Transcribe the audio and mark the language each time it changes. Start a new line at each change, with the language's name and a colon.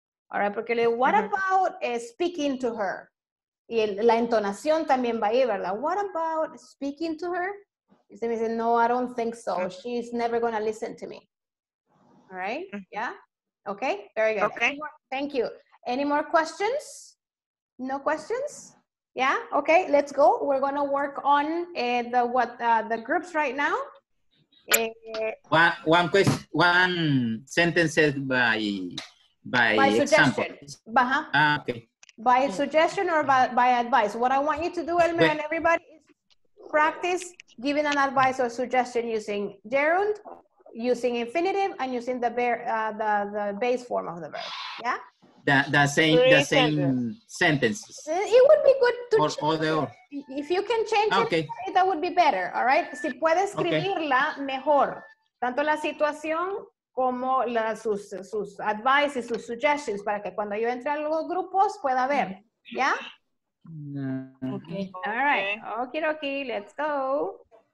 English: All right,
Spanish: porque le digo,
English: what about speaking to her?
Spanish: Y la entonación también va a ir, ¿verdad?
English: What about speaking to her?
Spanish: Y usted me dice, no,
English: I don't think so. She's never going to listen to me. All right? Yeah? Okay? Very good. Okay. Thank you. Any more questions? No questions? Yeah? Okay, let's go. We're going to work on the groups right now. One sentence by suggestion. Example. Uh-huh. Okay. By suggestion or by advice. What I want you to do, Elmer, and everybody, is practice giving an advice or suggestion using gerund, using infinitive, and using the base form of the verb. Yeah. The same sentences. It would be good to or, change. Or the or. If you can change it, that would be better. All right.
Spanish: Si puedes escribirla mejor, tanto la situación como sus advice y sus suggestions para que cuando yo entre a los grupos pueda ver, ¿ya?
English: Okay. All right. Okay, let's go.